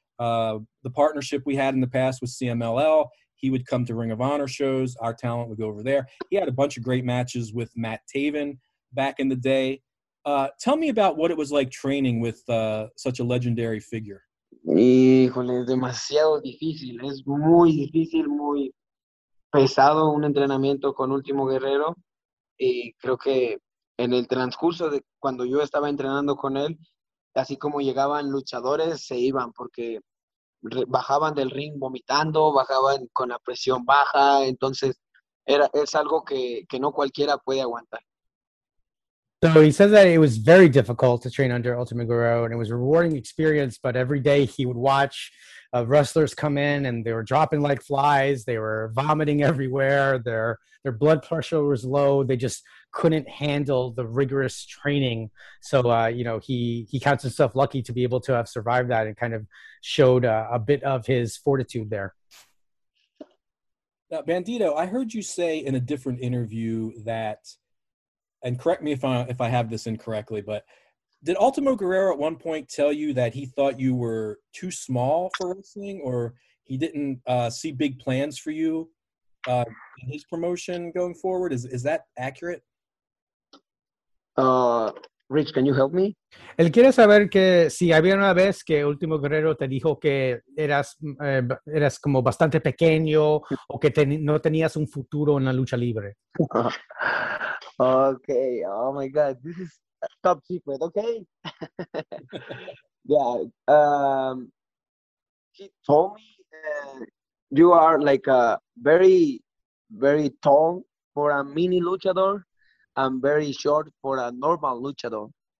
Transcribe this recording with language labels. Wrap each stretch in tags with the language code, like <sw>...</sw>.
<en>The partnership we had in the past with CMLL, he would come to Ring of Honor shows. Our talent would go over there. He had a bunch of great matches with Matt Taven back in the day. Tell me about what it was like training with such a legendary figure.</en> <es>Híjole, es demasiado difícil. Es muy difícil, muy pesado un entrenamiento con Último Guerrero. Y creo que en el transcurso de cuando yo estaba entrenando con él, así como llegaban luchadores, se iban porque bajaban del ring vomitando, bajaban con la presión baja. Entonces, es algo que no cualquiera puede aguantar.</es> <en>So he says that it was very difficult to train under Ultimo Guerrero, and it was a rewarding experience, but every day he would watch wrestlers come in, and they were dropping like flies, they were vomiting everywhere, their blood pressure was low, they just couldn't handle the rigorous training. So, you know, he counts himself lucky to be able to have survived that and kind of showed a bit of his fortitude there. Now, Bandido, I heard you say in a different interview that, and correct me if I have this incorrectly, but did Ultimo Guerrero at one point tell you that he thought you were too small for wrestling, or he didn't see big plans for you in his promotion going forward? Is that accurate? Rich, can you help me?</en> <es>Él quiere saber que si había una vez que Ultimo Guerrero te dijo que eras como bastante pequeño o que no tenías un futuro en la lucha libre.</es> <en>Okay, oh my God, this is top secret, okay? Yeah, he told me you are like a very, very tall for a mini luchador and very short for a normal luchador.</en>